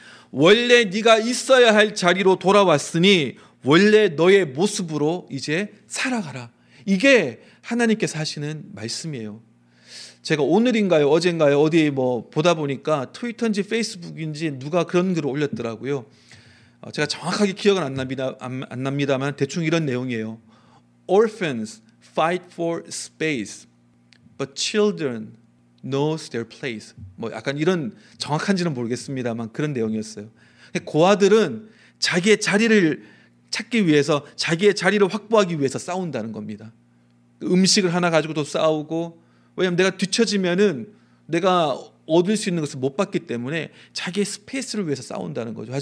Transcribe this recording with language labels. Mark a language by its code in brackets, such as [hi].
[ko] 원래 네가 있어야 할 자리로 돌아왔으니 원래 너의 모습으로 이제 살아가라. 이게 하나님께서 하시는 말씀이에요. 제가 오늘인가요 어젠가요 어디 뭐 보다 보니까 트위터인지 페이스북인지 누가 그런 글을 올렸더라고요. 제가 정확하게 기억은 안 납니다만 대충 이런 내용이에요. [en] Orphans fight for space, but children knows their place. [ko] 뭐 약간 이런 정확한지는 모르겠습니다만 그런 내용이었어요. 고아들은 자기의 자리를 찾기 위해서 자기의 자리를 확보하기 위해서 싸운다는 겁니다. 음식을 하나 가지고도 싸우고 왜냐하면 내가 뒤처지면은 내가 얻을 수 있는 것을 못 받기 때문에 자기의 스페이스를 위해서 싸운다는 거죠.